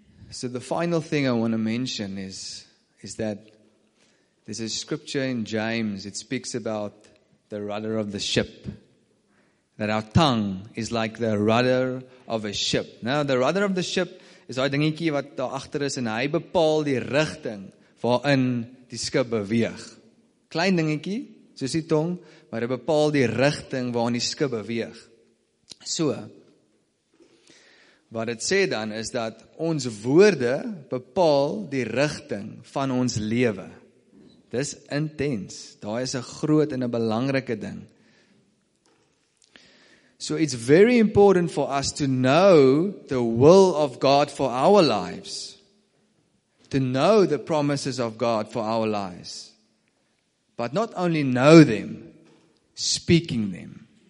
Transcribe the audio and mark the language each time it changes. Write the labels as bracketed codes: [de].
[en] So the final thing I want to mention is that there's a scripture in James. It speaks about the rudder of the ship. That our tongue is like the rudder of a ship. Now the rudder of the ship is [af] daai dingetjie wat daar agter is en hy bepaal die rigting waarin die skip beweeg. Klein dingetjie, soos die tong, maar hy bepaal die rigting waarin die skip beweeg. So, wat dit sê dan is dat ons woorde bepaal die rigting van ons lewe. Dis intens. Daai is 'n groot en 'n belangrike ding. [en] So it's very important for us to know the will of God for our lives. To know the promises of God for our lives. But not only know them, speaking them.